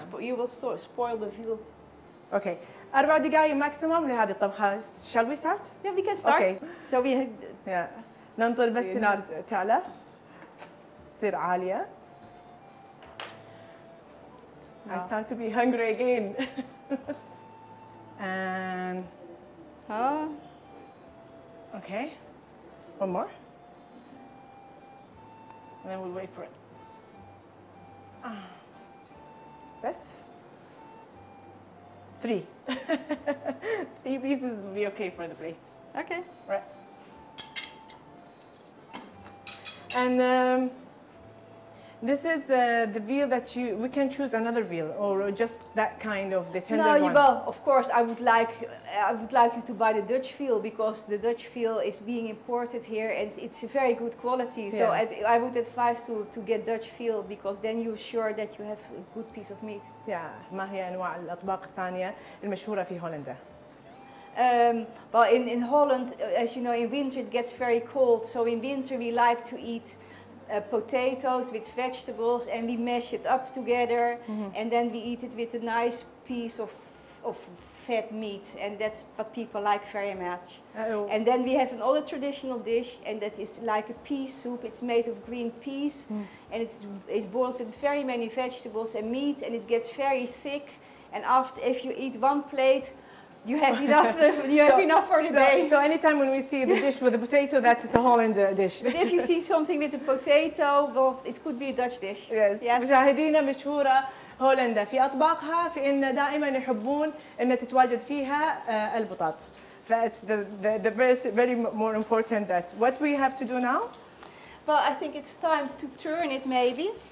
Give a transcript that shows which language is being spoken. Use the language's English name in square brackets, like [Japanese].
[English] You will spoil the veal. Okay. [Arabic] 4 دقائق ماكسيموم لهذه الطبخة. [English] Shall we start? Yeah, we can start. Okay. So we [Arabic] yeah. ننطر بس النار تعلى. تصير عالية. [English] No. I start to be hungry again. And huh? Okay. One more. And then we'll wait for it. [Arabic] بس. [English] 3 pieces will be okay for the plates. Okay. Right. And this is the veal that you, we can choose another veal or just that kind of the tender one. No, well, of course, I would like you to buy the Dutch veal because the Dutch veal is being imported here and it's a very good quality. Yes. So I would advise to get Dutch veal because then you're sure that you have a good piece of meat. [Arabic] Yeah. ما هي أنواع الأطباق الثانية المشهورة في هولندا؟ [English] Well, in Holland, as you know, in winter it gets very cold. So in winter we like to eat potatoes with vegetables and we mash it up together and then we eat it with a nice piece of fat meat and that's what people like very much. And then we have another traditional dish and that is like a pea soup. It's made of green peas and it's boiled with very many vegetables and meat and it gets very thick and after if you eat one plate you have enough. You have enough for the day. So anytime when we see the dish with the potato, that's a Holland dish. But if you see something with the potato, well, it could be a Dutch dish. [Arabic] Yes. مشاهدينا مشهورة هولندا في أطباقها في إن دائما يحبون إن تتواجد فيها البطاط. [English] That's the very more important that what we have to do now. Well, I think it's time to turn it maybe.